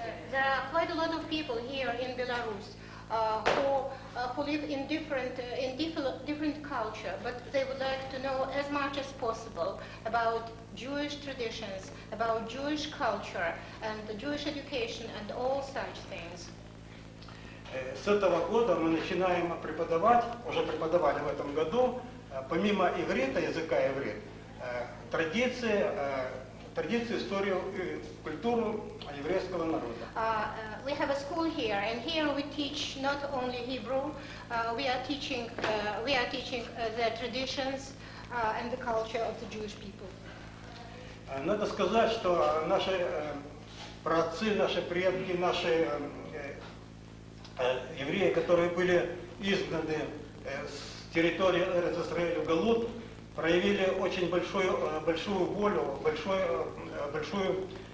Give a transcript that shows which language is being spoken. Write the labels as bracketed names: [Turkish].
[English] There are quite a lot of people here in Belarus who live in different culture, but they would like to know as much as possible about Jewish traditions, about Jewish culture and the Jewish education and all such things. [Russian] С этого года мы начинаем преподавать, уже преподавали в этом году, помимо иврита, языка иврит, традиции. Традицию, историю и культуру еврейского народа. [English] We have a school here, and here we teach not only Hebrew, we are teaching the traditions and the culture of the Jewish people. [Russian] Надо сказать, что наши праотцы, наши предки, наши евреи, которые были изгнаны с территории Эрец Исраэль в Галут, проявили очень большую волю, большую